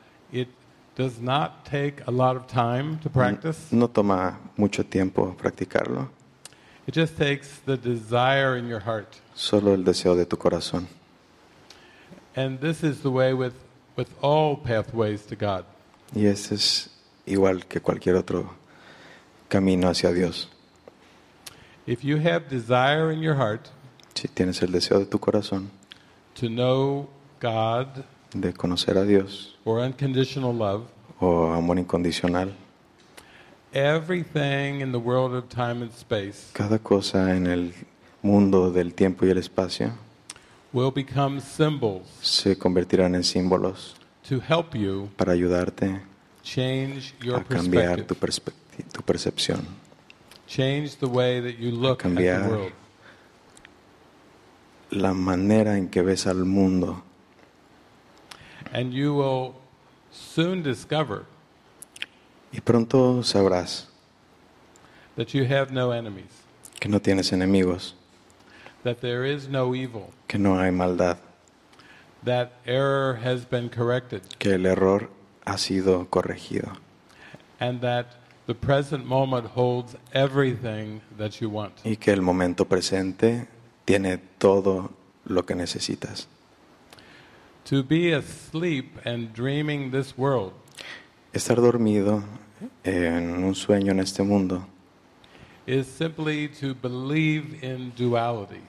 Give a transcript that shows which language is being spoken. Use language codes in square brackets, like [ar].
[en] It does not take a lot of time to practice. [es] No toma mucho tiempo practicarlo. [en] It just takes the desire in your heart. [es] Solo el deseo de tu corazón. [en] And this is the way with all pathways to God. [es] Y este es igual que cualquier otro camino hacia Dios. [en] If you have desire in your heart, [es] si tienes el deseo de tu corazón, [en] to know God, [es] de conocer a Dios, [en] or unconditional love, [es] o amor incondicional, [en] everything in the world of time and space, [es] cada cosa en el mundo del tiempo y el espacio, [en] will become symbols, [es] se convertirán en símbolos, [en] to help you, [es] para ayudarte, [en] change your [es] a cambiar tu percepción. [en] Change the way that you look at the world. [es] La manera en que ves al mundo. [en] And you will soon discover. [es] Y pronto sabrás. [en] That you have no enemies. [es] Que no tienes enemigos. [en] That there is no evil. [es] Que no hay maldad. [en] That error has been corrected. [es] Que el error ha sido corregido. [en] And that the present moment holds everything that you want. [es] Y que el momento presente tiene todo lo que necesitas. [en] To be asleep and dreaming this world. [es] Estar dormido en un sueño en este mundo. [en] Is simply to believe in duality.